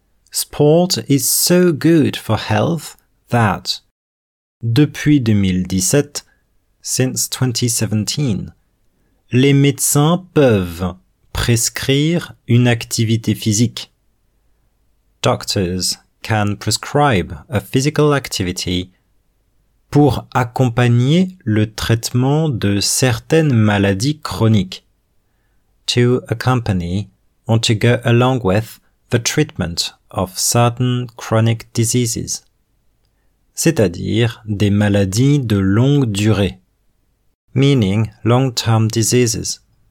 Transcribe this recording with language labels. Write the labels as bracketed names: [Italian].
[English] Sport is so good for health that... [French] Depuis 2017, [English] since 2017, [French] les médecins peuvent prescrire une activité physique. [English] Doctors can prescribe a physical activity [French] pour accompagner le traitement de certaines maladies chroniques. [English] To accompany or to go along with the treatment of certain chronic diseases. [French] C'est-à-dire des maladies de longue durée. [English] Meaning long-term diseases.